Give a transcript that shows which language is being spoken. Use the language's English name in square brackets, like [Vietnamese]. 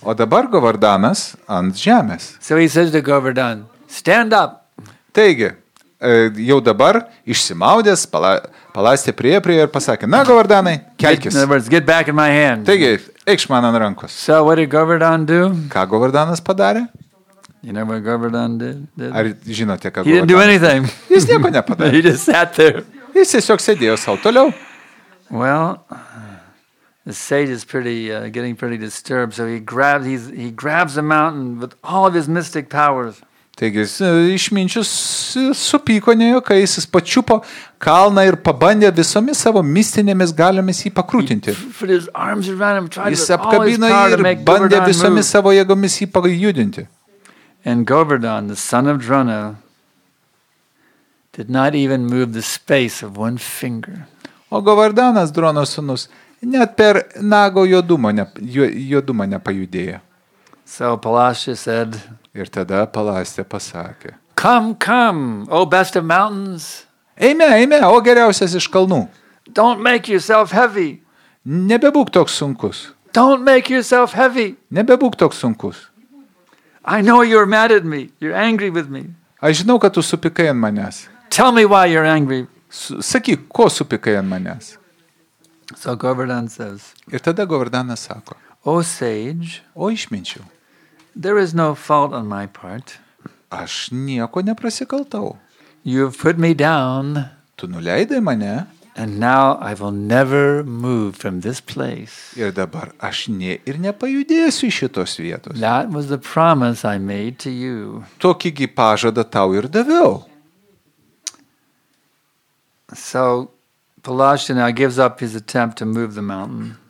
[Lithuanian] O dabar Govardhanas ant žemės. [English] So he says to Govardhan, stand up. [Lithuanian] Taigi, jau dabar išsimaudęs, palastė prie ir pasakė, na Govardhanai, kelkis. [English] In other words, get back in my hand. [Lithuanian] Taigi, eikš man ant rankos. [English] So what did Govardhan do? [Lithuanian] Ką Govardhanas padarė? [English] You know what Govardhan did? [Lithuanian] Ar žinote, ką [English] Govardhan? He didn't do anything. [Lithuanian] Jis nieko nepadarė. [English] He just sat there. [Lithuanian] Jis tiesiog sėdėjo sau toliau. [English] Well, the sage is getting pretty disturbed, so he grabs the mountain with all of his mystic powers. [Lithuanian] Taigi, išminčius supyko nejuokais, jis pačiupo kalną ir pabandė visomis savo mistinėmis galiomis jį pakrūtinti. Jis apkabino jį ir bandė visomis savo jėgomis jį pajudinti. [English] And Govardhan, the son of Drona, did not even move the space of one finger. [Lithuanian] O Govardhanas, Drono sūnus, net per nago juodumą nepajudėjo. [English] So Palastya said, [Lithuanian] ir tada Palastya pasakė, [English] Come, O best of mountains. [Lithuanian] Eime, o geriausias iš kalnų. [English] Don't make yourself heavy. [Lithuanian] Nebebūk toks sunkus. [English] Don't make yourself heavy. [Lithuanian] Nebebūk toks sunkus. [English] I know you're mad at me. You're angry with me. [Lithuanian] Aš žinau, kad tu supykai ant manęs. [English] Tell me why you're angry. [Lithuanian] Sakyk, ko supykai ant manęs. [English] So Govardhan says. [Lithuanian] Ir tada Govardhanas sako. [English] O sage. [Lithuanian] O išminčiau. [English] There is no fault on my part. [Lithuanian] Aš nieko neprasikaltau. [English] You've put me down. [Lithuanian] Tu nuleidai mane. [English] And now I will never move from this place. [Lithuanian] Ir dabar aš nepajudėsiu iš šitos vietos. [English] That was the promise I made to you. [Lithuanian] Tokį gi pažadą tau ir daviau. [English] So Palastya now gives up his attempt to move the mountain.